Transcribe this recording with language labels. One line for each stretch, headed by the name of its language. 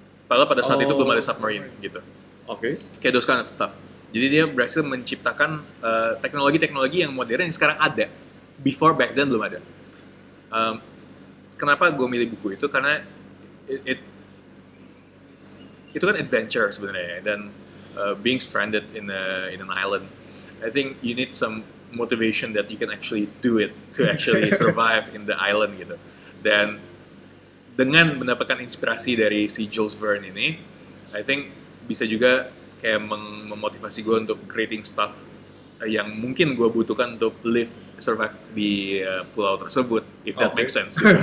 Indonesian: Padahal pada saat itu belum ada submarine gitu. Oke.
English: Okay. Kayak those kind of stuff.
Indonesian: Jadi dia berhasil menciptakan teknologi-teknologi yang modern yang sekarang ada,
English: before back then
Indonesian: belum ada. Kenapa gue milih buku itu? Karena itu kan adventure sebenarnya, dan
English: being stranded in an island, I think you need some motivation that you can actually do it to actually survive in the island gitu.
Indonesian: Dan dengan mendapatkan inspirasi dari si Jules Verne ini,
English: I think
Indonesian: bisa juga kayak memotivasi gue untuk
English: creating stuff
Indonesian: yang mungkin gue butuhkan untuk
English: live survive
Indonesian: di pulau tersebut,
English: if that makes sense.